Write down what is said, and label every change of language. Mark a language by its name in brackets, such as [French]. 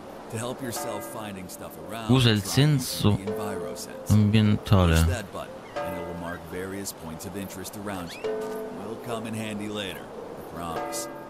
[English] To help yourself finding stuff around. [Italian] Usa il senso ambientale. [English] Push that button, and it will mark various points of interest around you. Will come in handy later, I promise.